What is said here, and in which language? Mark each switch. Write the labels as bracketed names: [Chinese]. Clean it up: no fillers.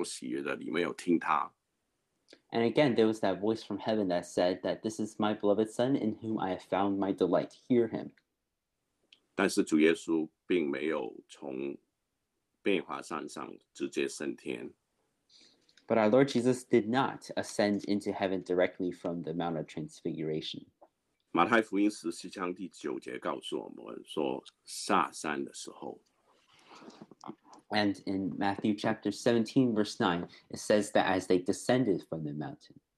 [Chinese] 天上也有声音说，这是我的爱子，我所喜悦的，你们有听他。 [English] And again, there was that voice from heaven that said that this is my beloved son in whom I have found my delight. Hear him. [Chinese] 但是主耶稣并没有从变化山上直接升天。 [English] But our Lord Jesus did not ascend into heaven directly from the Mount of Transfiguration. [Chinese] 马太福音17章第9节告诉我们说，下山的时候。 [English] And in Matthew chapter 17, verse 9, it says that as they descended from the mountain,